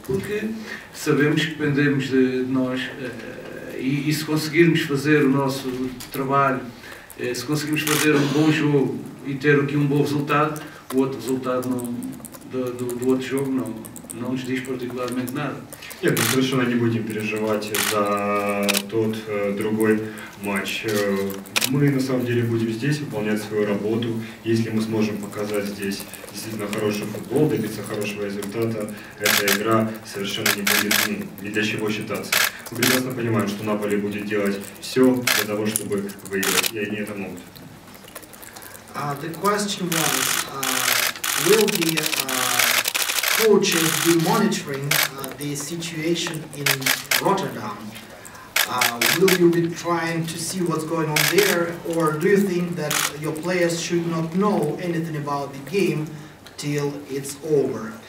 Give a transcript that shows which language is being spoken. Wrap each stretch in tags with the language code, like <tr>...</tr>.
<pt>Porque sabemos que dependemos de nós e se conseguirmos fazer o nosso trabalho, se conseguirmos fazer um bom jogo e ter aqui um bom resultado, o outro resultado do outro jogo não nos diz particularmente nada.</pt> <ru>Нет, мы совершенно не будем переживать за тот другой матч. Мы на самом деле будем здесь выполнять свою работу. Если мы сможем показать здесь действительно хороший футбол, добиться хорошего результата, эта игра совершенно не будет ни для чего считаться. Мы прекрасно понимаем, что Наполи будет делать все для того, чтобы выиграть, и они это могут.</ru> <en>The question was, will the coaches be monitoring the situation in Rotterdam? Will you be trying to see what's going on there, or do you think that your players should not know anything about the game till it's over?</en>